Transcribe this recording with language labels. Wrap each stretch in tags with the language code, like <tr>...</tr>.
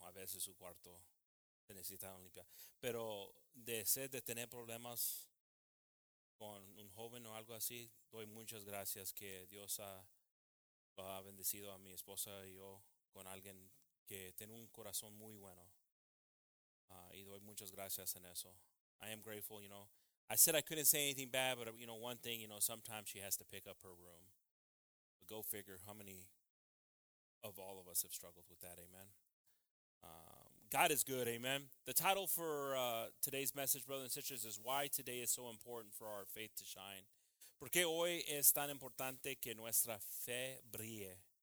<es>A veces su cuarto se necesita limpiar. Pero de tener problemas con un joven o algo así, doy muchas gracias que Dios ha bendecido a mi esposa y yo con alguien que tiene un corazón muy bueno. Y doy muchas gracias en eso.</es> <en>I am grateful, you know. I said I couldn't say anything bad, but, you know, one thing, you know, sometimes she has to pick up her room. But go figure how many of all of us have struggled with that, amen. God is good, amen. The title for today's message, brothers and sisters, is Why Today is So Important for Our Faith to Shine.</en> <es>¿Por qué hoy es tan importante que nuestra fe brille?</es>